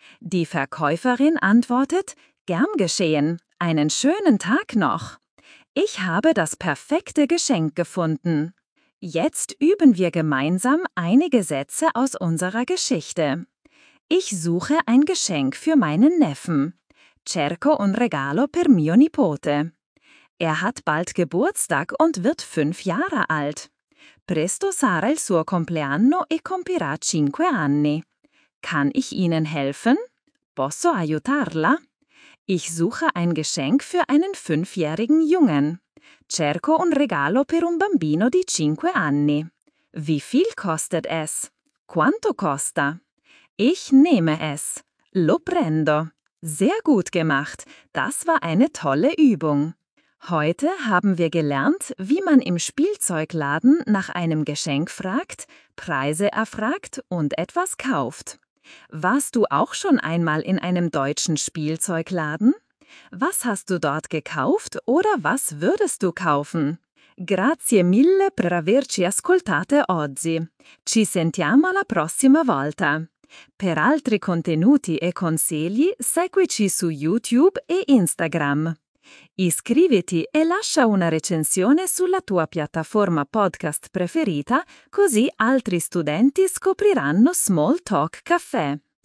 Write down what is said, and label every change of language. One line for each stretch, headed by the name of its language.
German: Die Verkäuferin antwortet, gern geschehen. Einen schönen Tag noch. Ich habe das perfekte Geschenk gefunden. Jetzt üben wir gemeinsam einige Sätze aus unserer Geschichte. Ich suche ein Geschenk für meinen Neffen.
Italian: Cerco un regalo per mio nipote.
German: Er hat bald Geburtstag und wird 5 Jahre alt.
Italian: Presto sarà il suo compleanno e compirà 5 anni.
German: Kann ich Ihnen helfen?
Italian: Posso aiutarla?
German: Ich suche ein Geschenk für einen 5-jährigen Jungen.
Italian: Cerco un regalo per un bambino di 5 anni.
German: Wie viel kostet es?
Italian: Quanto costa?
German: Ich nehme es.
Italian: Lo prendo.
German: Sehr gut gemacht. Das war eine tolle Übung. Heute haben wir gelernt, wie man im Spielzeugladen nach einem Geschenk fragt, Preise erfragt und etwas kauft. Warst du auch schon einmal in einem deutschen Spielzeugladen? Was hast du dort gekauft oder was würdest du kaufen?
Italian: Grazie mille per averci ascoltate oggi. Ci sentiamo la prossima volta. Per altri contenuti e consigli, seguici su YouTube e Instagram. Iscriviti e lascia una recensione sulla tua piattaforma podcast preferita, così altri studenti scopriranno Small Talk Caffè.